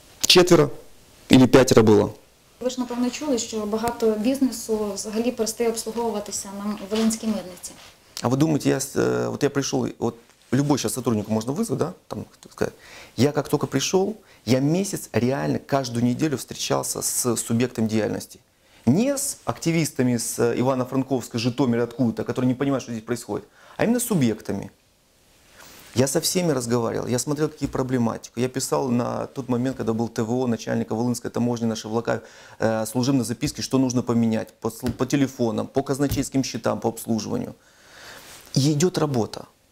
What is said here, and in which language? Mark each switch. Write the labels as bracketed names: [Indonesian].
[Russian] Четверо или пятеро было. [Ukrainian] Ви ж, напевно, чули, що багато бізнесу взагалі перестає обслуговуватися на Волинській митниці. А ви думаєте, я прийшов, от [Russian] любой сейчас сотрудник [Ukrainian] можна [Russian] вызвать, да? Там, сказать. Я как только [Ukrainian] прийшов, я місяць реально кожну неділю зустрічався з суб'єктом діяльності. [Russian] Не с активистами с Ивано-Франковска, Житомира, откуда-то, которые не понимают, что здесь происходит, а именно с субъектами. Я со всеми разговаривал, я смотрел, какие проблематики. Я писал на тот момент, когда был ТВО, начальника Волынской таможни, наши влака, служебные записки, что нужно поменять по телефонам, по казначейским счетам, по обслуживанию. И идет работа.